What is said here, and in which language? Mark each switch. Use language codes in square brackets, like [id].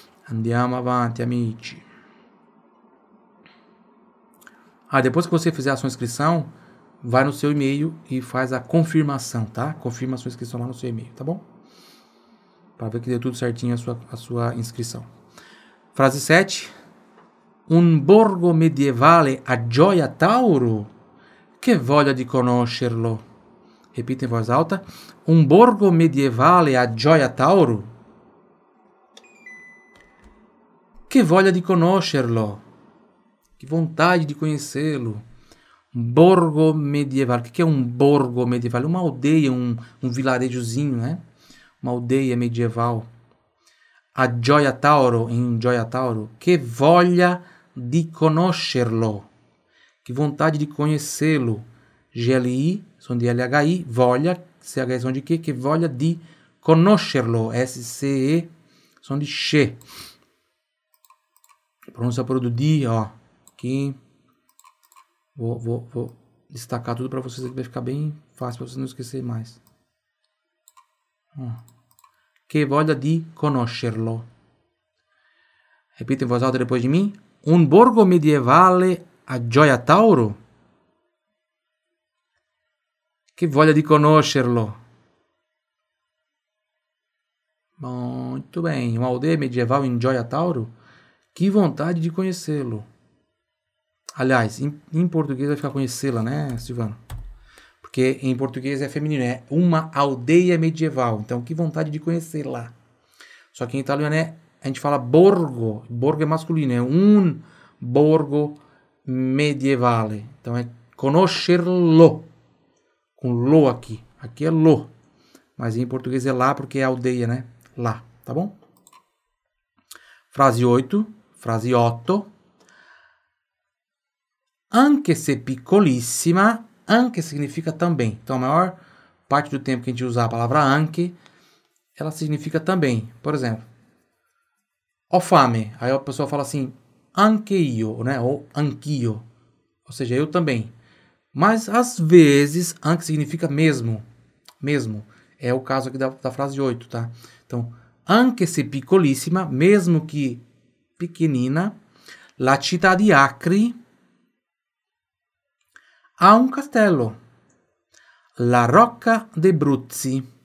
[it] Andiamo avanti, amici. [pt] Ah, depois que você fizer a sua inscrição, vai no seu e-mail e faz a confirmação, tá? Confirma a sua inscrição lá no seu e-mail, tá bom? Para ver que deu tudo certinho a sua inscrição. Frase 7. [it] Un borgo medievale a Gioia Tauro? Che voglia di conoscerlo! [pt] Repita em voz alta. [it] Um borgo medievale a Gioia Tauro? Que voglia di conoscerlo! [pt] Que vontade de conhecê-lo! [it] Borgo medievale. [pt] O que é um borgo medievale? Uma aldeia, um vilarejozinho, né? Uma aldeia medieval. A Gioia Tauro, em Gioia Tauro. [it] Que voglia di conoscerlo! [pt] Que vontade de conhecê-lo! GLI. Som de LHI, voglia, CH som de quê? Que voglia di conoscerlo, SCE, som de che. Pronuncia pro do di, ó. Aqui. Vou destacar tudo para vocês aqui, vai ficar bem fácil para vocês não esquecerem mais. [it] Que voglia di conoscerlo. [pt] Repita em voz alta depois de mim. [it] Un borgo medievale a Gioia Tauro? Que voglia di conoscerlo. [pt] Muito bem. Uma aldeia medieval em Gioia Tauro? Que vontade de conhecê-lo. Aliás, em português vai ficar conhecê-la, né, Silvano? Porque em português é feminino, é uma aldeia medieval. Então, que vontade de conhecê-la. Só que em italiano a gente fala borgo. Borgo é masculino, é [it] un borgo medievale. [pt] Então, é conoscerlo. Com lo aqui. Aqui é lo. Mas em português é lá porque é aldeia, né? Lá, tá bom? Frase 8. Frase 8. [it] Anche se piccolissima. Anche [pt] significa também. Então a maior parte do tempo que a gente usar a palavra anche, ela significa também. Por exemplo, [it] ho fame. [pt] Aí a pessoa fala assim, [it] anche io, [pt] né? Ou anch'io. Ou seja, eu também. Mas às vezes, anche significa mesmo. Mesmo. É o caso aqui da frase 8, tá? [it] Então, anche se piccolissima, [pt] mesmo que pequenina, [it] la città di Acri ha un castello. La Rocca d'Abruzzi.